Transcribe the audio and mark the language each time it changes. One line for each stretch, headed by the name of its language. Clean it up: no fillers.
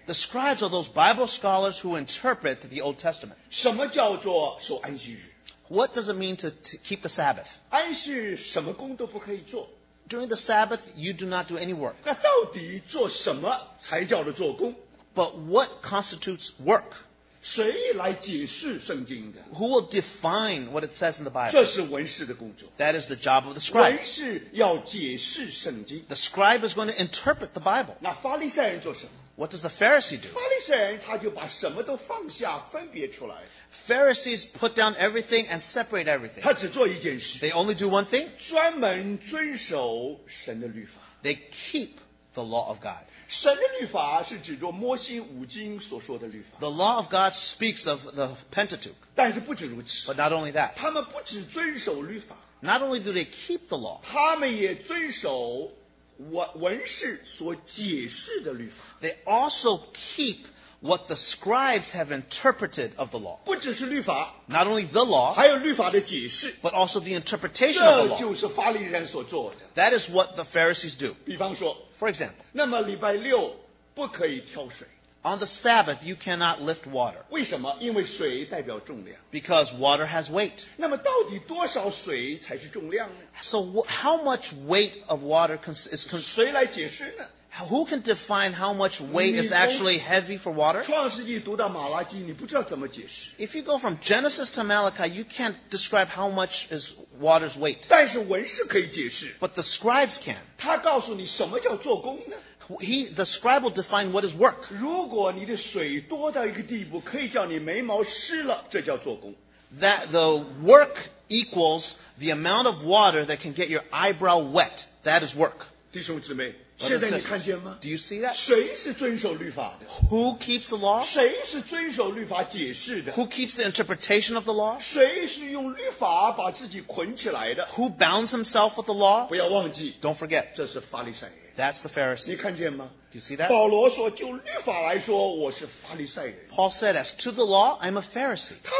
English: The scribes are those Bible scholars who interpret the Old Testament.
Chinese: 什么叫做守安息日？
English: What does it mean to keep the Sabbath?
Chinese: 安息日什么工都不可以做。
English: During the Sabbath, you do not do any work.
Chinese: 那到底做什么才叫做做工？
English: But what constitutes work?
Chinese: 谁来解释圣经的？
English: Who will define what it says in the Bible?
Chinese: 这是文士的工作。
English: That is the job of the scribe.
Chinese: 文士要解释圣经。
English: The scribe is going to interpret the Bible.
Chinese: 那法利赛人做什么？
English: What does the Pharisee do?
Chinese: 法利赛人他就把什么都放下，分别出来。
English: Pharisees put down everything and separate everything.
Chinese: 他只做一件事。
English: They only do one thing.
Chinese: 专门遵守神的律法。
English: They keep the law of God.
Chinese: 神的律法是指着摩西五经所说的律法。
English: The law of God speaks of the Pentateuch.
Chinese: 但是不止如此。
English: But not only that.
Chinese: 他们不只遵守律法。
English: Not only do they keep the law.
Chinese: 他们也遵守文士所解释的律法。
English: They also keep what the scribes have interpreted of the law.
Chinese: 不只是律法。
English: Not only the law.
Chinese: 还有律法的解释。
English: But also the interpretation of the law.
Chinese: 这就是法利人所做的。
English: That is what the Pharisees do.
Chinese: 比方说。
English: For example.
Chinese: 那么礼拜六不可以挑水。
English: On the Sabbath, you cannot lift water.
Chinese: 为什么？因为水代表重量。
English: Because water has weight.
Chinese: 那么到底多少水才是重量呢？
English: So how much weight of water is...
Chinese: 谁来解释呢？
English: Who can define how much weight is actually heavy for water?
Chinese: 创世纪读到马拉基，你不知道怎么解释。
English: If you go from Genesis to Malachi, you can't describe how much is water's weight.
Chinese: 但是文士可以解释。
English: But the scribes can.
Chinese: 他告诉你什么叫做工呢？
English: The scribe will define what is work.
Chinese: 如果你的水多到一个地步，可以叫你眉毛湿了，这叫做工。
English: That the work equals the amount of water that can get your eyebrow wet. That is work.
Chinese: 弟兄姊妹，现在你看见吗？
English: Do you see that?
Chinese: 谁是遵守律法的？
English: Who keeps the law?
Chinese: 谁是遵守律法解释的？
English: Who keeps the interpretation of the law?
Chinese: 谁是用律法把自己捆起来的？
English: Who bounds himself with the law?
Chinese: 不要忘记。
English: Don't forget.
Chinese: 这是法利赛人。
English: That's the Pharisee.
Chinese: 你看见吗？
English: Do you see that?
Chinese: 保罗说，就律法来说，我是法利赛人。
English: Paul said, as to the law, I'm a Pharisee.